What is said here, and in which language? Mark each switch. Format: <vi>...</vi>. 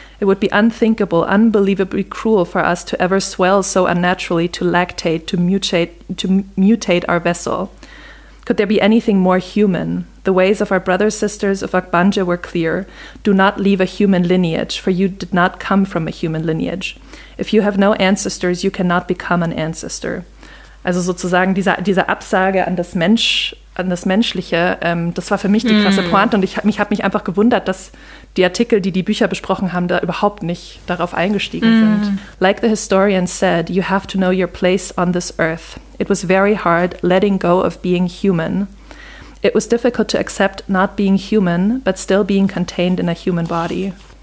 <en>It would be unthinkable, unbelievably cruel for us to ever swell so unnaturally, to lactate, to mutate our vessel. Could there be anything more human? The ways of our brothers, sisters of Akbanje were clear. Do not leave a human lineage, for you did not come from a human lineage. If you have no ancestors, you cannot become an ancestor.</en> <de>Also sozusagen diese Absage an das Mensch, an das Menschliche, das war für mich die krasse Pointe. Und ich hab mich einfach gewundert, dass die Artikel, die Bücher besprochen haben, da überhaupt nicht darauf eingestiegen sind.</de> <en>Like the historian said, you have to know your place on this earth. It was very hard letting go of being human. It was difficult to accept not being human, but still being contained in a human body.</en>